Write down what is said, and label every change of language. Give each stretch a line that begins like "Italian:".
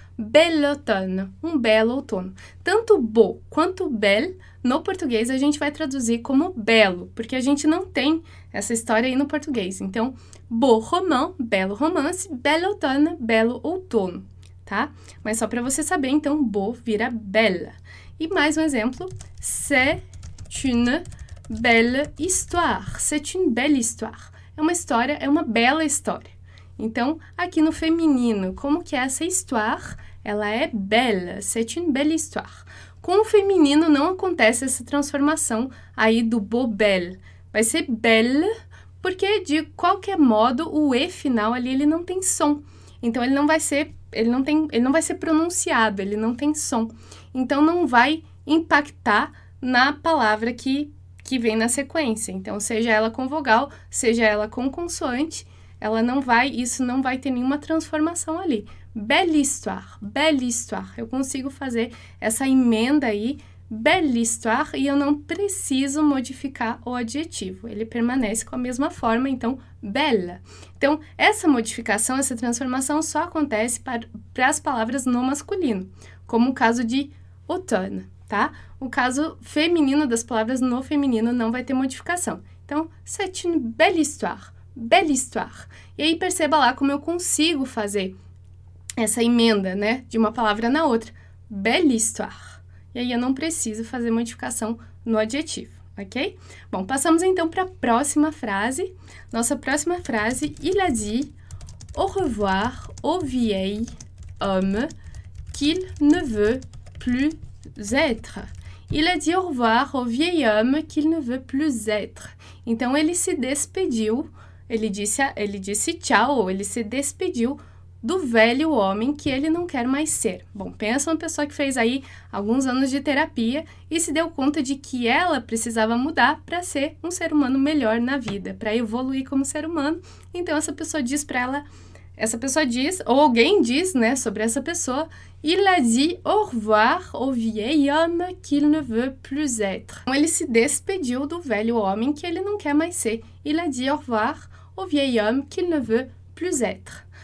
Portuguese: Bel outono, um belo outono. Tanto beau quanto belle, no português, a gente vai traduzir como belo, porque a gente não tem essa história aí no português. Então, beau roman, belo romance, bel outono, belo outono, tá? Mas só para você saber, então, beau vira belle. E mais um exemplo,
French: c'est une belle histoire. C'est une belle histoire.
Portuguese: É uma história, é uma bela história. Então, aqui no feminino, como que é essa histoire? Ela é belle,
French: c'est une belle histoire.
Portuguese: Com o feminino, não acontece essa transformação aí do beau belle. Vai ser belle, porque de qualquer modo, o E final ali, ele não tem som. Então, ele não vai ser pronunciado, ele não tem som. Então, não vai impactar na palavra que vem na sequência. Então, seja ela com vogal, seja ela com consoante, isso não vai ter nenhuma transformação ali. Belle histoire, belle histoire. Eu consigo fazer essa emenda aí, belle histoire, e eu não preciso modificar o adjetivo. Ele permanece com a mesma forma, então, belle. Então, essa modificação, essa transformação só acontece para as palavras no masculino, como o caso de automne, tá? O caso feminino das palavras no feminino não vai ter modificação.
French: Então, c'est une belle histoire. Belle histoire.
Portuguese: E aí, perceba lá como eu consigo fazer essa emenda, né? De uma palavra na outra. Belle histoire. E aí, eu não preciso fazer modificação no adjetivo, ok? Bom, passamos então para a próxima frase. Nossa próxima frase.
French: Il a dit au revoir au vieil homme qu'il ne veut plus être. Il a dit au revoir au vieil homme qu'il ne veut plus être.
Portuguese: Então, ele se despediu. Ele disse tchau, ou ele se despediu do velho homem que ele não quer mais ser. Bom, pensa uma pessoa que fez aí alguns anos de terapia e se deu conta de que ela precisava mudar para ser um ser humano melhor na vida, para evoluir como ser humano. Então, essa pessoa diz para ela, essa pessoa diz, ou alguém diz, né, sobre essa pessoa,
French: il a dit au revoir au vieil homme qu'il ne veut plus être.
Portuguese: Então, ele se despediu do velho homem que ele não quer mais ser.
French: Il a dit au revoir au vieil homme qu'il ne veut plus être.